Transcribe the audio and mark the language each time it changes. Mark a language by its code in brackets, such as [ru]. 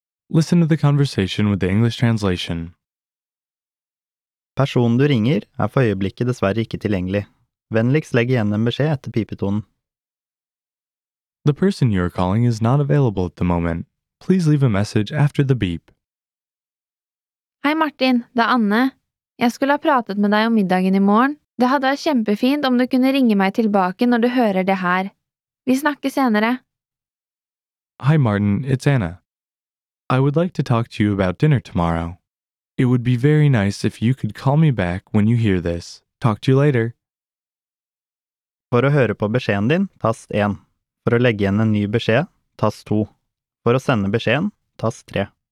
[en] Listen to the conversation with the English translation. [no] Personen du ringer for øyeblikket dessverre ikke tilgjengelig. Vennligst legg igjen en beskjed etter pipetonen. [en] The person you are calling is not available at the moment. Please leave a message after the beep. [no] Hei Martin, det Anne. Jeg skulle ha pratet med deg om middagen i morgen. Det hadde vært kjempefint om du kunne ringe meg tilbake når du hører det her. Vi snakker senere. [en] Hi Martin, it's Anna. I would like to talk to you about dinner tomorrow. It would be very nice if you could call me back when you hear this. Talk to you later. [no] For å høre på beskjeden din, tast 1. For å legge igjen en ny beskjed, tast 2. For å sende beskjeden, tast 3.